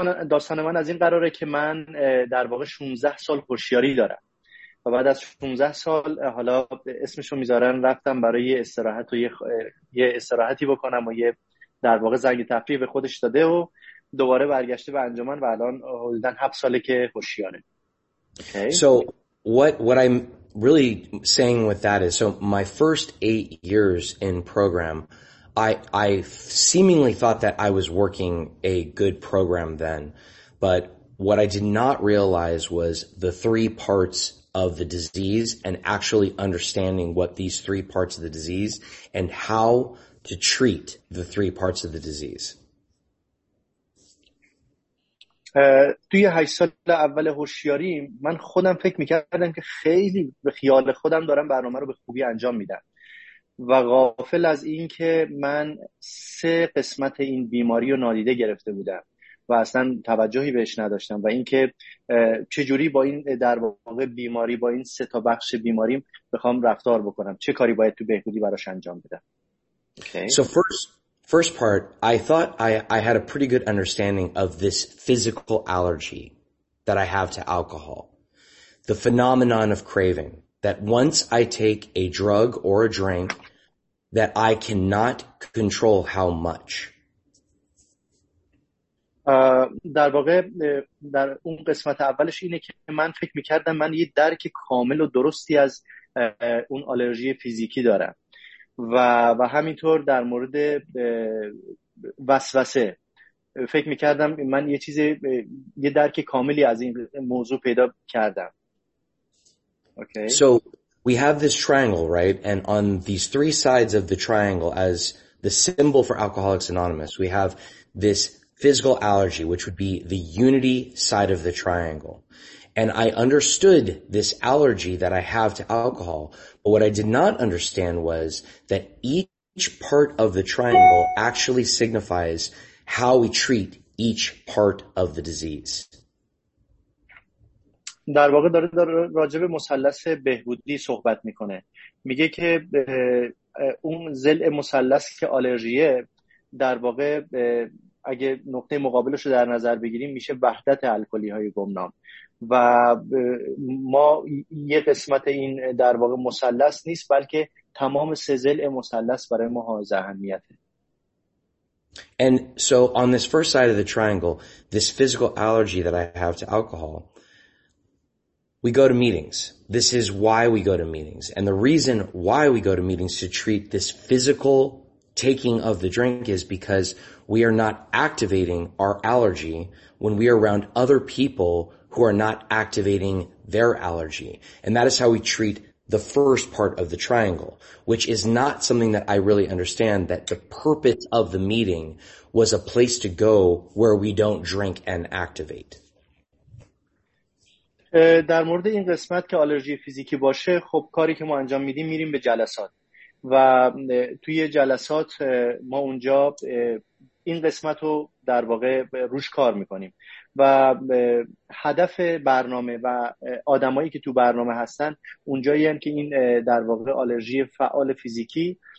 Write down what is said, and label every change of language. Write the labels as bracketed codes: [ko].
[fa] داستان من از این قراره که من در واقع 16 سال هوشیاری دارم و بعد از 16 سال حالا اسمشو میذارن رفتم برای استراحت و یه استراحتی بکنم و یه در واقع زنگ تفریح به خودش داده و دوباره برگشته به انجمن و الان حدوداً 7 ساله که هوشیاره. [en] Okay. So what I'm really saying with that is, so my first 8 years in program, I seemingly thought that I was working a good program then, but what I did not realize was the three parts of the disease and actually understanding what these three parts of the disease and how to treat the three parts of the disease. [fa] توی 8 سال اول هوشیاری من خودم فکر میکردم که خیلی به خیال خودم دارم برنامه رو به خوبی انجام میدم و غافل از این که من 3 قسمت این بیماری رو نادیده گرفته بودم و اصلا توجهی بهش نداشتم و این که چجوری با این در واقع بیماری با این 3 تا بخش بیماریم بخوام رفتار بکنم چه کاری باید تو بهبودی براش انجام بدم. [en] So First part, I thought I had a pretty good understanding of this physical allergy that I have to alcohol, the phenomenon of craving, that once I take a drug or a drink, that I cannot control how much. [fa] در واقع در اون قسمت اولش اینه که من فکر میکردم من یه درک کامل و درستی از اون آلرژی فیزیکی دارم. و همینطور در مورد وسوسه فکر میکردم من یه درک کاملی از این موضوع پیدا کردم. [en] Okay. So we have this triangle, right? And on these three sides of the triangle, as the symbol for Alcoholics Anonymous, we have this physical allergy, which would be the unity side of the triangle. And I understood this allergy that I have to alcohol, but what I did not understand was that each part of the triangle actually signifies how we treat each part of the disease. [fa] در واقع داره راجع به مثلث بهبودی صحبت میکنه. میگه که اون ضلع مثلث که آلرژیه در واقع اگه نقطه مقابلش رو در نظر بگیریم میشه وحدت الکلی های گمنام. و ما یه قسمت این در واقع مثلث نیست بلکه تمام 3 ضلع مثلث برای ما حائز اهمیته. [en] And so on this first side of the triangle, this physical allergy that I have to alcohol, we go to meetings. This is why we go to meetings. And the reason why we go to meetings to treat this physical taking of the drink is because we are not activating our allergy when we are around other people who are not activating their allergy. And that is how we treat the first part of the triangle, which is not something that I really understand, that the purpose of the meeting was a place to go where we don't drink and activate. [fa] در مورد این قسمت که آلرژی فیزیکی باشه، خب کاری که ما انجام میدیم میریم به جلسات. و توی جلسات ما اونجا این قسمت رو در واقع روش کار میکنیم و هدف برنامه و آدمایی که تو برنامه هستن اونجایی هم که این در واقع آلرژی فعال فیزیکی